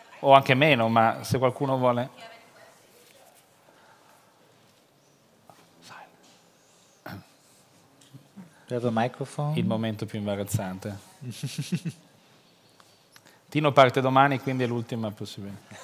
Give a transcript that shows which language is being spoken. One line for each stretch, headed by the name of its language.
Italian: O anche meno, ma se qualcuno vuole.
English: Do you have a microphone?
Italian: Il momento più imbarazzante. Tino parte domani, quindi è l'ultima possibile.